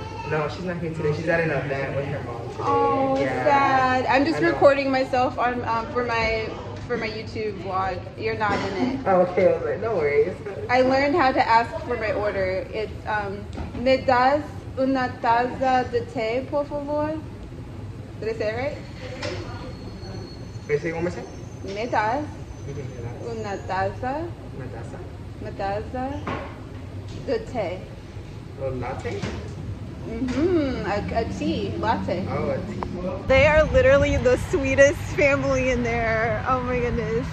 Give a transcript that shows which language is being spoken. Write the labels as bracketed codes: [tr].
[en] No, she's not here today. She's at an event with her mom. Oh, yeah. Sad. I'm just recording myself on for my YouTube vlog. You're not in it. Okay, I was like, no worries. I learned how to ask for my order. It's, [es] me das una taza de té, por favor? [en] Did I say it right? Can you say it one more time? [es] Me das una taza. Una taza. Me das de té. [en] A latte? A tea latte. Oh, a tea. They are literally the sweetest family in there. Oh my goodness.